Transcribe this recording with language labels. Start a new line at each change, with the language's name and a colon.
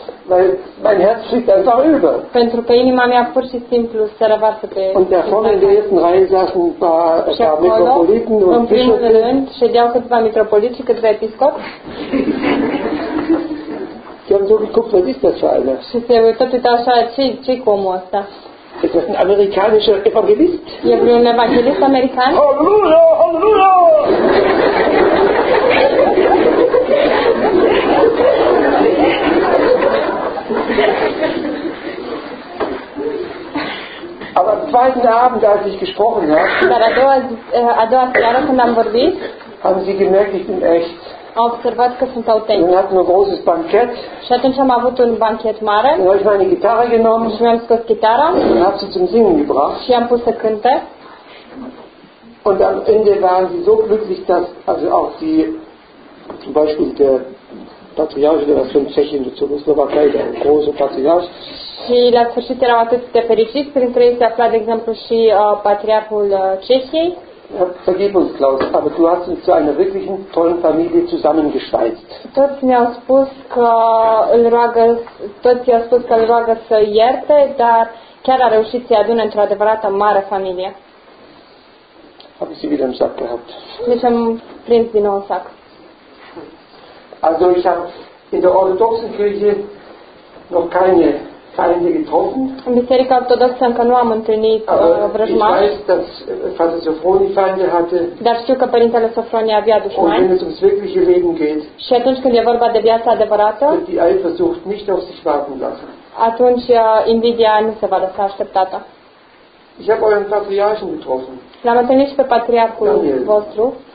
German: Weil mein Herz schlägt einfach über.
Romanian: Pentru că inima mea pur și simplu se revarsă pe.
German: Und da vorne in der ersten Reihe saßen ein paar Metropoliten und Bischöfe.
Romanian: Ședeau câțiva mitropoliți, câțiva episcopi.
German: Die haben so geguckt, was ist das für eine?
Romanian: Și se uitau tot așa, ce-i cu omul ăsta?
German: Ist das ein amerikanischer Evangelist?
Romanian: E vreun evanghelist american?
German: Halleluja, halleluja! Aber am zweiten Abend, als ich gesprochen habe, haben sie gemerkt, ich bin echt.
Romanian: Observat că sunt autentic.
German: Wir hatten ein großes Bankett.
Romanian: Și atunci am avut un banchet mare.
German: Dann habe ich meine Gitarre genommen.
Romanian: Și mi-am scos chitara.
German: Und habe sie zum Singen gebracht.
Romanian: Și am pus să cânte.
German: Und am Ende waren sie so glücklich, dass also auch die, zum Beispiel der Patriarch, der war von Tschechien zu Slowakei, der große Patriarch.
Romanian: Și la sfârșit erau atât de fericiți, printre ei se afla, de exemplu, și Patriarhul Cehiei.
German: Vergib uns, Klaus, aber du hast uns zu einer wirklichen tollen Familie zusammengeschweißt.
Romanian: Toți mi-au spus că îl roagă, toți i-au spus că îl roagă să ierte, dar chiar a reușit să-i adune într-o adevărată mare familie.
German: Habe ich sie wieder im Sack gehabt.
Romanian: Deci am prins din nou în sac.
German: Also ich habe in der orthodoxen Kirche noch keine Feinde getroffen.
Romanian: In Biserica Ortodoxă încă nu am întâlnit vrăjmași.
German: Ich weiß, dass Vater Sofronie Feinde hatte.
Romanian: Dar știu că Părintele Sofronie avea dușmani.
German: Und wenn es ums wirkliche Leben geht.
Romanian: Și atunci când e vorba de viața adevărată.
German: Wird die Eifersucht nicht auf sich warten lassen.
Romanian: Atunci invidia nu se va lăsa așteptată.
German: Ich habe euren Patriarchen getroffen.
Romanian: L-am întâlnit și pe patriarhul vostru.